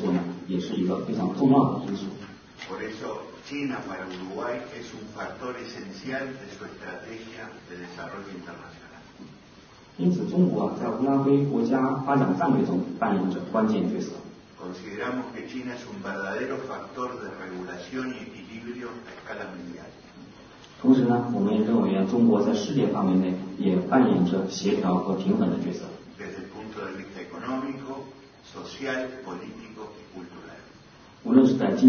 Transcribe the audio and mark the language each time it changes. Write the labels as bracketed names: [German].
[Chinese] 所以呢，我认为良好的政治关系对于巩固和加强两国关系来说呢，也是一个非常重要的因素。 [Spanish] Por eso, China para Uruguay es un factor esencial de su estrategia de desarrollo internacional. [Chinese] 因此，中国在乌拉圭国家发展战略中扮演着关键角色。 [Spanish] Consideramos que China es un verdadero factor de regulación y equilibrio a escala mundial. [Chinese] 同时呢，我们也认为中国在世界范围内也扮演着协调和平衡的角色。 [Spanish] Desde el punto de vista económico, social, político y cultural.